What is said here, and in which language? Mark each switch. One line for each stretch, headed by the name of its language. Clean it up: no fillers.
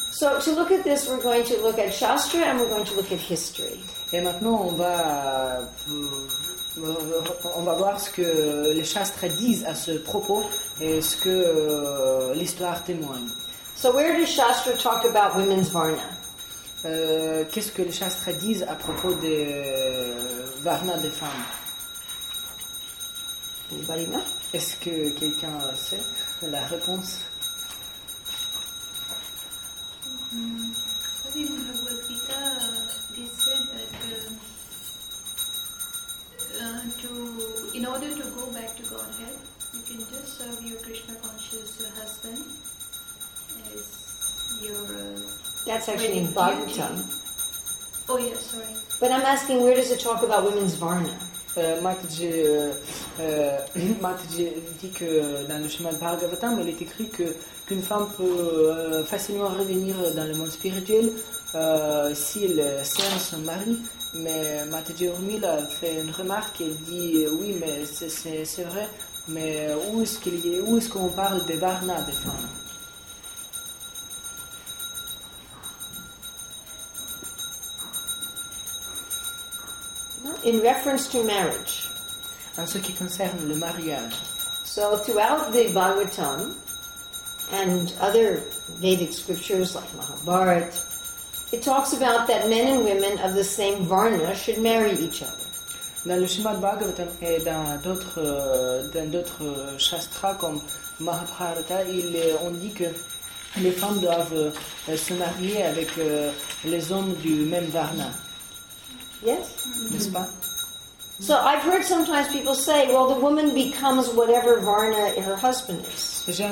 English: So to look at this, we're going to look at Shastra and we're going to look at history.
French: Et maintenant, on va voir ce que les Shastras disent à ce propos et ce que l'histoire témoigne.
English: So where does Shastra talk about women's varna?
French: Qu'est-ce que les Shastras disent à propos des varna des femmes?
English: Anybody know?
French: Est-ce que quelqu'un sait la réponse?
English: Mm-hmm. I think Bhagavad Gita, they said that in order to go back to Godhead, you can just serve your Krishna conscious husband as your That's actually in Bhagavatam. Oh yeah, sorry. But I'm asking, where does it talk about women's varna?
French: Mataji dit que dans le chemin de Bhagavatam, il est écrit qu'une femme peut facilement revenir dans le monde spirituel s'il sert son mari. Mais Mataji Urmila fait une remarque, elle dit oui, mais c'est vrai, mais où est-ce qu'on parle des varna des femmes?
English: In reference to marriage.
French: En ce qui concerne le mariage.
English: So So throughout the Bhagavatam and other Vedic scriptures like Mahabharata, it talks about that men and women of the same varna should marry each other.
French: Dans le Srimad Bhagavatam et dans d'autres shastras comme Mahabharata, on dit que les femmes doivent se marier avec les hommes du même varna.
English: Yes?
French: N'est-ce pas?
English: So I've heard sometimes people say, well, the woman becomes whatever varna her husband is.